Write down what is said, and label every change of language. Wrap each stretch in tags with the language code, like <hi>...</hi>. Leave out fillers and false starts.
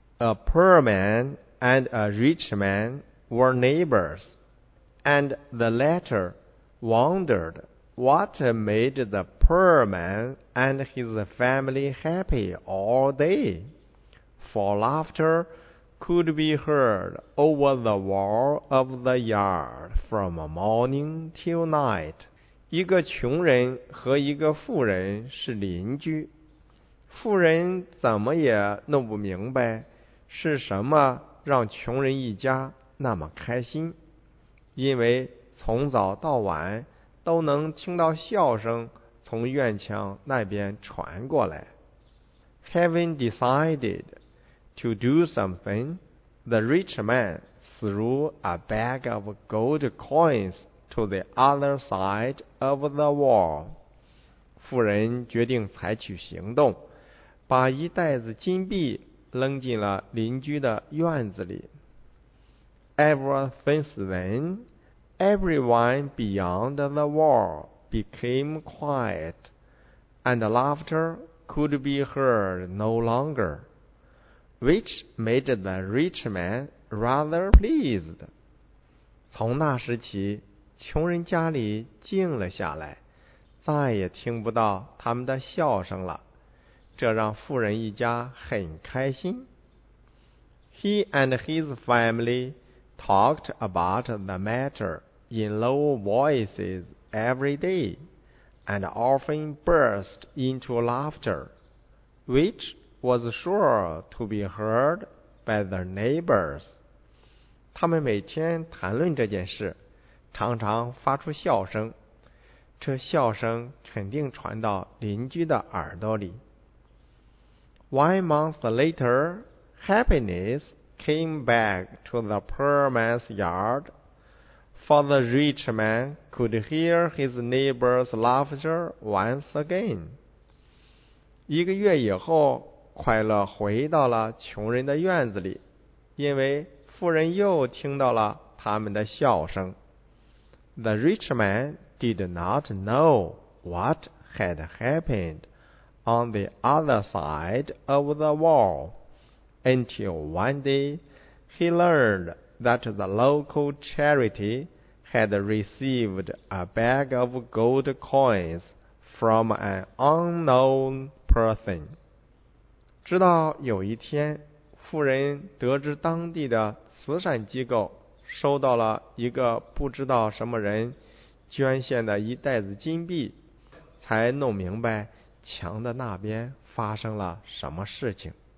<en>A poor man and a rich man were neighbors, and the latter wondered what made the poor man and his family happy all day. For laughter could be heard over the wall of the yard from morning till night.</en> <zh>一个穷人和一个富人是邻居。富人怎么也弄不明白是什么让穷人一家那么开心，因为从早到晚都能听到笑声从院墙那边传过来。</zh> <en>Having decided to do something, the rich man threw a bag of gold coins to the other side of the wall.</en> <zh>富人决定采取行动，把一袋子金币扔进了邻居的院子里。</zh> <en>Ever since then, everyone beyond the wall became quiet, and laughter could be heard no longer, which made the rich man rather pleased.</en> <zh>从那时起，穷人家里静了下来，再也听不到他们的笑声了，这让富人一家很开心。</zh> <en>He and his family talked about the matter in low voices every day and often burst into laughter, which was sure to be heard by their neighbors.</en> <zh>他们每天谈论这件事，常常发出笑声，这笑声肯定传到邻居的耳朵里。</zh> <en>One month later, happiness came back to the poor man's yard, for the rich man could hear his neighbor's laughter once again.</en> <zh>一个月以后，快乐回到了穷人的院子里，因为富人又听到了他们的笑声。</zh> <en>The rich man did not know what had happened on the other side of the wall until one day he learned that the local charity had received a bag of gold coins from an unknown person.</en> <zh>直到有一天，富人得知当地的慈善机构收到了一个不知道什么人捐献的一袋子金币，才弄明白墙的那边发生了什么事情。</zh>